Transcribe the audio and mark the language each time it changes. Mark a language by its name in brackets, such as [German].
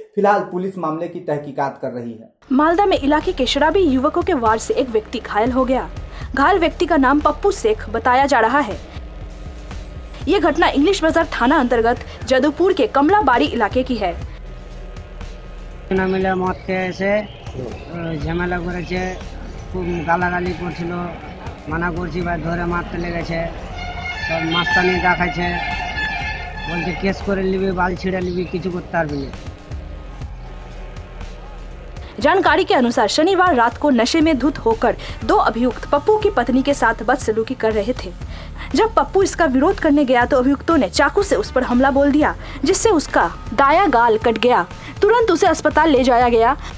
[Hindi] फिलहाल पुलिस मामले की तहकीकात कर रही है। मालदा में इलाके के शराबी युवकों के वार से एक व्यक्ति घायल हो गया। घायल व्यक्ति का नाम पप्पू शेख बताया जा रहा है। ये घटना इंग्लिश बाजार थाना अंतर्गत जदुपुर के कमलाबाड़ी इलाके की है। [Bangla] না মিলে মত কেছে ঝামেলা করেছে খুব গালাগালি করছিল মানা করছি বা ধরে মারতে লেগেছে সব মাস্তানি দেখাইছে বলছে কেস করে নিবি বাল ছিঁড়ে নিবি কিছু করতে পারবি না। [Hindi] जानकारी के अनुसार शनिवार रात को नशे में धुत होकर दो अभियुक्त पप्पू की पत्नी के साथ बदसलूकी कर रहे थे। जब पप्पू इसका विरोध करने गया तो अभियुक्तों ने चाकू से उस पर हमला बोल दिया, जिससे उसका दायां गाल कट गया। तुरंत उसे अस्पताल ले जाया गया।